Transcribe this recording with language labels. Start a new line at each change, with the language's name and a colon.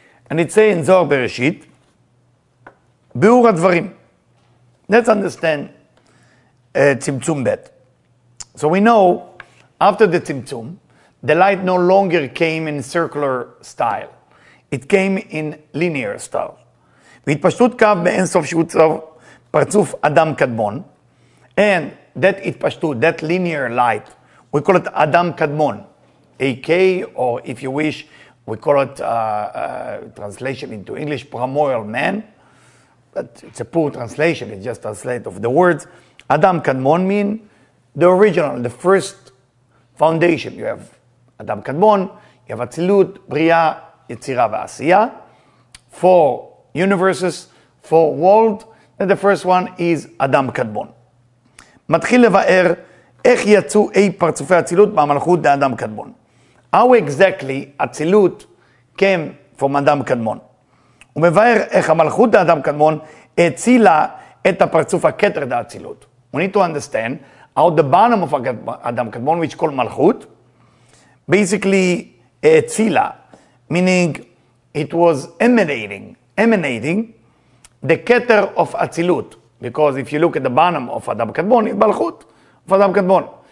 English: And it says in Zohar Bereshit,
Hebrew: Biur HaDvarim.
English: Let's understand tzimtzum bet. So we know, after the tzimtzum, the light no longer came in circular style. It came in linear style.
Hebrew: והתפשטות קו באין סוף שעוצר פרצוף אדם קדמון.
English: And that התפשטות, that linear light, we call it אדם קדמון. AK, or if you wish, we call it translation into English, primordial man. But it's a poor translation, it's just a translate of the words. Adam Kadmon mean the original, the first foundation. You have Adam Kadmon, you have Atzilut, Bria, Yetzirah, Ve'asiya. Four universes, four world. And the first one is Adam Kadmon.
Hebrew: מתחיל לבאר איך יצאו אי פרצופי Atzilut מהמלכות לאדם Kadmon.
English: How exactly Atzilut came from Adam Kadmon?
Hebrew: ומבאר איך המלכות האדם קדמון הצילה את הפרצוף הקטר דאצילות.
English: We need to understand how the bottom of האדם קדמון, which is called מלכות, basically הצילה, meaning it was emanating the קטר of אצילות. Because if you look at the bottom of האדם קדמון, it's מלכות of האדם קדמון.